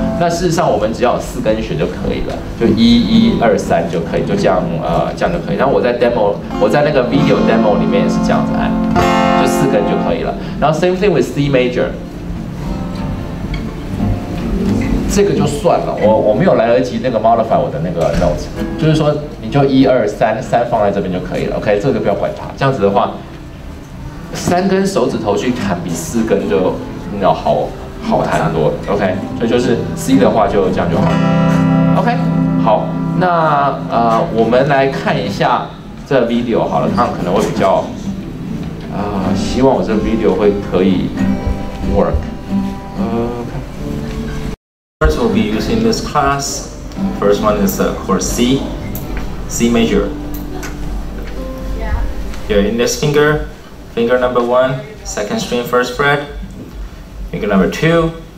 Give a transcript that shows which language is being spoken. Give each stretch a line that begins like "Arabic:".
Chinese: 那事实上，我们只要有四根弦就可以了，就1-1-2-3就可以，就这样就可以。那我在那个 video demo 里面也是这样子按。四根就可以了。然后
English: same thing with C major，
Chinese: 这个就算了。我没有来得及那个 modify 我的那个 notes， 就是说你就1-2-3-3放在这边就可以了。OK， 这个不要管它。这样子的话，三根手指头去弹比四根就要好好弹很多。 OK， 所以就是 C 的话就这样就好了。OK， 好，那我们来看一下这 video 好了，他们可能会比较希望我这 video 会可以 work。
English: First we'll be using this class. First one is chord C, C major. Yeah. Here in this finger, finger number one, second string first fret. Finger number two.